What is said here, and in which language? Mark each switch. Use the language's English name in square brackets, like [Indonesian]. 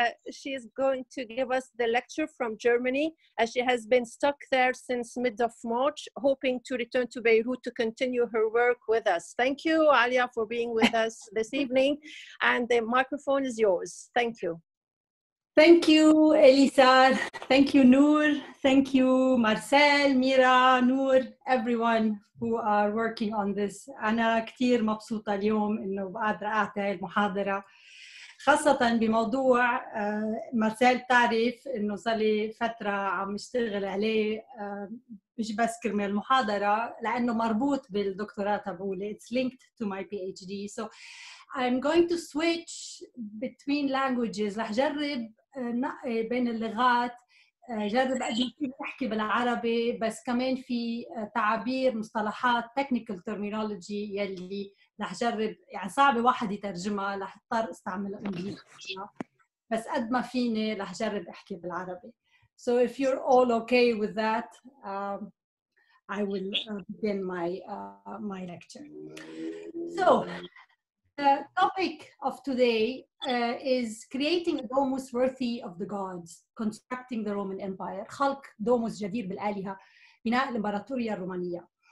[English] She's going to give us the lecture from Germany, as she has been stuck there since mid of March, hoping to return to Beirut to continue her work with us. Thank you, Alia, for being with us this evening. And the microphone is yours. Thank you. Thank you, Elisa. Thank you, Noor. Thank you, Marcel, Mira, Noor, everyone who are working on this. [Arabic] أنا كتير مبسوطة اليوم إنه بقدر أعطي هاي المحاضرة. خاصة بموضوع مارسيل تعرف إنه صار لي فترة عم اشتغل عليه مش بس كرمال المحاضرة لأنه مربوط بالدكتوراه تبعولي. [English] It's linked to my PhD. So I'm going to switch between languages. [Arabic] رح جرب نقي بين اللغات. جرب أحكي بالعربي بس كمان في تعابير مصطلحات technical terminology يلي رح جرب يعني صعب واحد يترجمها رح اضطر استعمل انجليزي بس قد ما فيني رح جرب احكي بالعربي. [English] So if you're all okay with that, I will begin my lecture. So the topic of today is creating a domus worthy of the gods, constructing the Roman Empire, خلق دوموس جدير بالآلهة, بناء الإمبراطورية الرومانية.